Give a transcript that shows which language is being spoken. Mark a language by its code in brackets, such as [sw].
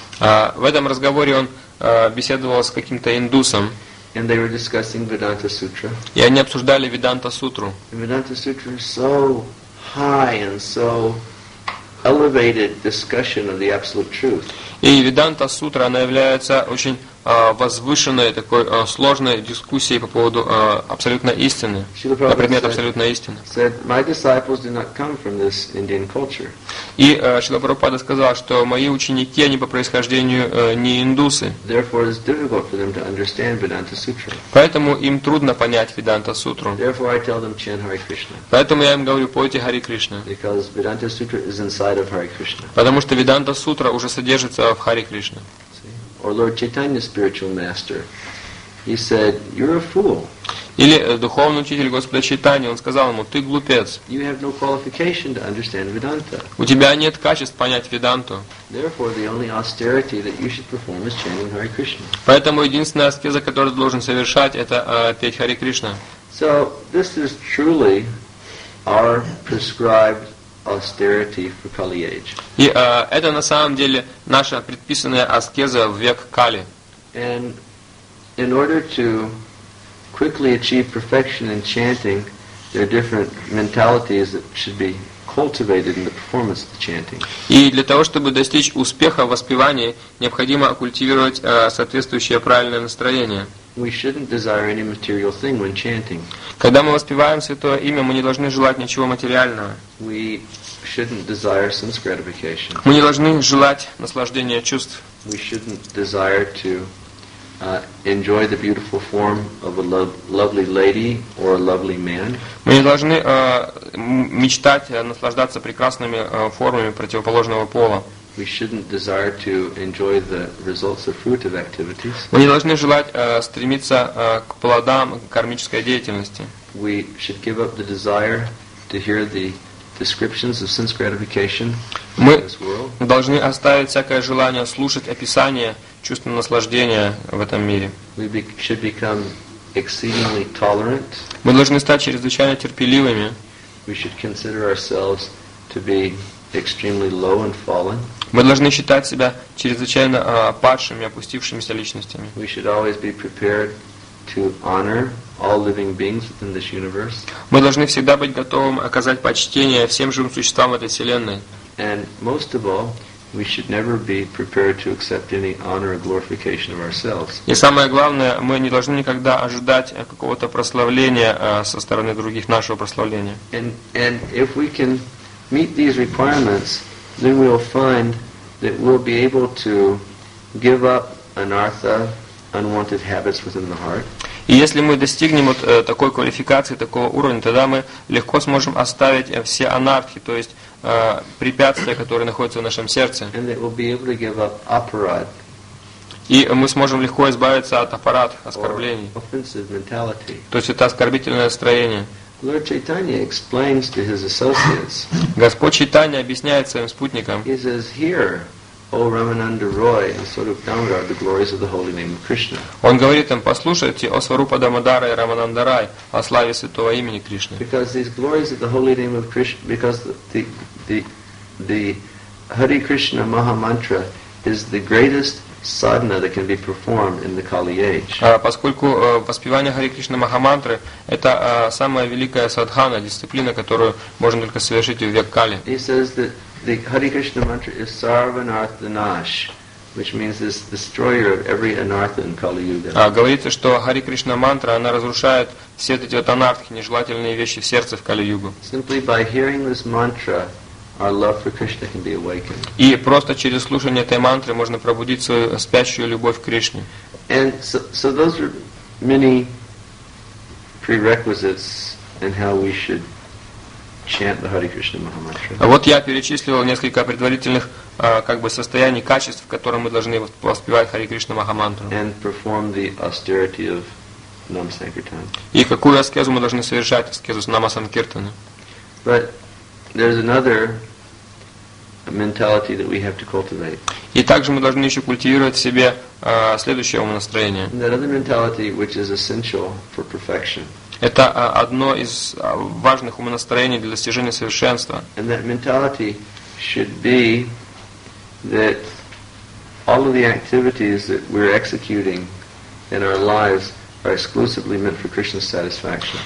[ru] В этом разговоре он беседовал с каким-то индусом. [en] And they were discussing Vedanta Sutra. [ru] И они обсуждали Веданта Сутру. [en] And Vedanta Sutra is so high and so elevated discussion of the absolute truth. [ru] И Веданта Сутра она является очень возвышенной такой сложной дискуссией по поводу абсолютной истины, на предмет абсолютной истины. [en] Said, my disciples do not come from this Indian culture. [ru] И Шрила Прабхупада сказал, что мои ученики они по происхождению не индусы. [en] Therefore, it's difficult for them to understand Vedanta Sutra. [ru] Поэтому им трудно понять Веданта Сутру. [en] Therefore, I tell them chant Hare Krishna. [ru] Поэтому я им говорю пойте Хари Кришна. [en] Because Vedanta Sutra is inside of Hare Krishna. [ru] Потому что Веданта Сутра уже содержится в Хари Кришне. [en] Or Lord Chaitanya's spiritual master, he said, "You're a fool." [ru] Или духовный учитель Господа Чайтани, он сказал ему, ты глупец. [en] You have no qualification to understand Vedanta. [ru] У тебя нет качеств понять Веданту. [en] Therefore, the only austerity that you should perform is chanting Hare Krishna. [ru] Поэтому единственная аскеза, которую ты должен совершать, это петь Хари Кришна. [en] So this is truly our prescribed austerity for Kali Age. [ru] И это на самом деле наша предписанная аскеза в век Кали. [en] And in order to quickly achieve perfection in chanting, there are different mentalities that should be cultivated in the performance of the chanting. [ru] И для того, чтобы достичь успеха в воспевании, необходимо культивировать соответствующее правильное настроение. [en] We shouldn't desire any material thing when chanting. [ru] Когда мы воспеваем святое имя, мы не должны желать ничего материального. [en] We shouldn't desire sense gratification. [ru] Мы не должны желать наслаждения чувств. [en] We shouldn't desire to enjoy the beautiful form of a lovely lady or a lovely man. [ru] Мы не должны мечтать наслаждаться прекрасными формами противоположного пола. [en] We shouldn't desire to enjoy the results of fruitive activities. [ru] Мы не должны желать стремиться к плодам кармической деятельности. [en] We should give up the desire to hear the descriptions of sense gratification in this world. [ru] Мы должны оставить всякое желание слушать описания чувственного наслаждения в этом мире. [en] We should become exceedingly tolerant. [ru] Мы должны стать чрезвычайно терпеливыми. [en] We should consider ourselves to be extremely low and fallen. [ru] Мы должны считать себя чрезвычайно падшими, опустившимися личностями. [en] We should always be prepared to honor all living beings within this universe. [ru] Мы должны всегда быть готовым оказать почтение всем живым существам этой вселенной. [en] And most of all, we should never be prepared to accept any honor or glorification of ourselves. [ru] И самое главное, мы не должны никогда ожидать какого-то прославления со стороны других, нашего прославления. [en] And if we can meet these requirements, then we'll find that we'll be able to give up anartha, unwanted habits within the heart. [ru] И если мы достигнем вот такой квалификации, такого уровня, тогда мы легко сможем оставить все анартхи, то есть препятствия, которые находятся в нашем сердце. [en] And that we'll be able to give up aparad. [ru] И мы сможем легко избавиться от аппарат оскорблений. [en] Or offensive mentality. [ru] То есть это оскорбительное настроение. [en] Lord Chaitanya explains to his associates. [ru] Господь Чайтанья объясняет своим спутникам. [en] He says, "Hear, O Ramananda Roy and Swarup Damodar, the glories of the holy name of Krishna." [ru] Он говорит им: послушайте, о Сварупа Дамодара и Рамананда Рай, о славе святого имени Кришны. [en] Because these glories of the holy name of Krishna, because the Hare Krishna Maha Mantra is the greatest садхана that can be performed in the Kali Age. [ru] Поскольку воспевание Хари Кришна Махамантры это самая великая садхана, дисциплина, которую можно только совершить в век Кали. [en] He says that the Hari Krishna mantra is Sarvanarthanash, which means it's the destroyer of every anartha in Kali Yuga. [ru] Говорится, что Хари Кришна мантра она разрушает все эти вот анартхи, нежелательные вещи в сердце в Кали Югу. [en] Simply by hearing this mantra, our love for Krishna can be awakened. [ru] И просто через слушание этой мантры можно пробудить свою спящую любовь к Кришне. [en] And so those are many prerequisites in how we should chant the Hare Krishna Maha Mantra. [ru] Вот я перечислил несколько предварительных как бы состояний, качеств, в котором мы должны воспевать Хари Кришна Маха Мантру. [en] And perform the austerity of Nama Sankirtana. [ru] И какую аскезу мы должны совершать, аскезу Нама Санкиртана. [en] But there's another mentality that we have to cultivate. [ru] И также мы должны еще культивировать в себе следующее умонастроение. [en] That other mentality, which is essential for perfection. [ru] Это одно из важных умонастроений для достижения совершенства. [en] And that mentality should be that all of the activities that we're executing in our lives are exclusively meant for Krishna's satisfaction.